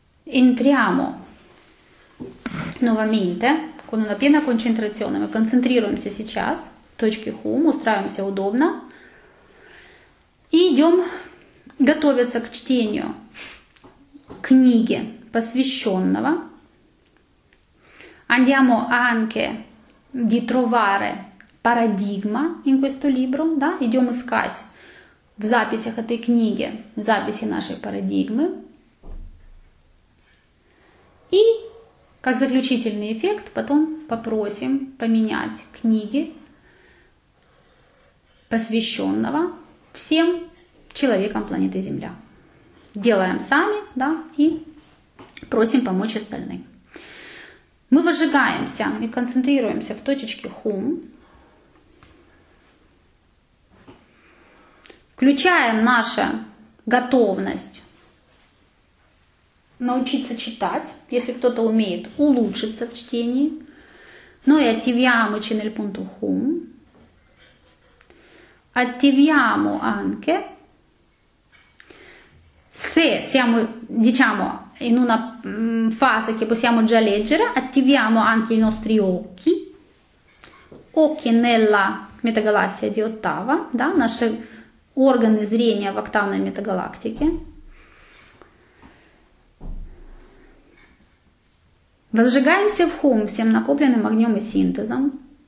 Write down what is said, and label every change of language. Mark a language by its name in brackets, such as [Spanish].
[Italian] Entriamo nuovamente con una piena concentrazione, [Russian] мы концентрируемся сейчас, точки хум, устраиваемся удобно, и идем готовиться к чтению книги посвященного. [Italian] Andiamo anche di trovare paradigma in questo libro, да? [Russian] Идем искать в записях этой книги записи нашей парадигмы. И, как заключительный эффект, потом попросим поменять книги посвященного всем человекам планеты Земля. Делаем сами, да, и просим помочь остальным. Мы выжигаемся и концентрируемся в точечке хум. Включаем нашу готовность научиться читать, если кто-то умеет улучшиться в чтении. [Italian] Noi attiviamo channel punto hum. Attiviamo anche, se siamo, diciamo, in una fase che possiamo già leggere, attiviamo anche i nostri occhi. Occhi nella metagalassia di ottava, [Russian] да, наши органы зрения в октавной метагалактике. Возжигаемся в хум всем накопленным огнем и синтезом.